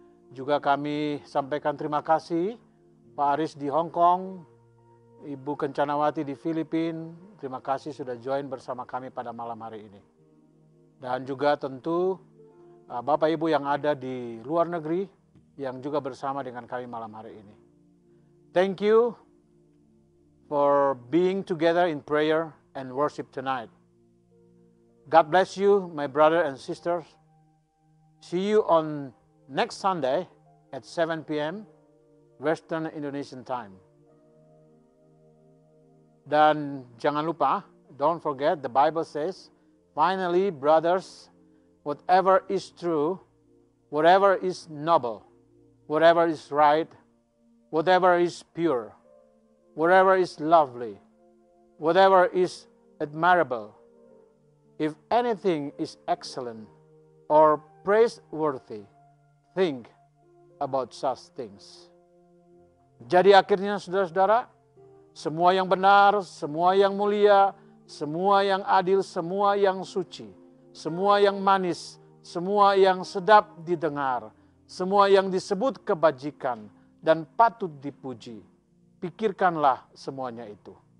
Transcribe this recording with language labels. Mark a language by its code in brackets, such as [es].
[id] Juga kami sampaikan terima kasih Pak Aris di Hong Kong, Ibu Kencanawati di Filipina. Terima kasih sudah join bersama kami pada malam hari ini. Dan juga tentu Bapak Ibu yang ada di luar negeri, yang juga bersama dengan kami malam hari ini. [en] Thank you for being together in prayer and worship tonight. God bless you, my brother and sisters. See you on next Sunday at 7 p.m. Western Indonesian time. [id] Dan jangan lupa, [en] don't forget, the Bible says, finally, brothers, whatever is true, whatever is noble, whatever is right, whatever is pure, whatever is lovely, whatever is admirable, if anything is excellent or praiseworthy, think about such things. [id] Jadi akhirnya saudara-saudara, semua yang benar, semua yang mulia, semua yang adil, semua yang suci, semua yang manis, semua yang sedap didengar, semua yang disebut kebajikan dan patut dipuji, pikirkanlah semuanya itu.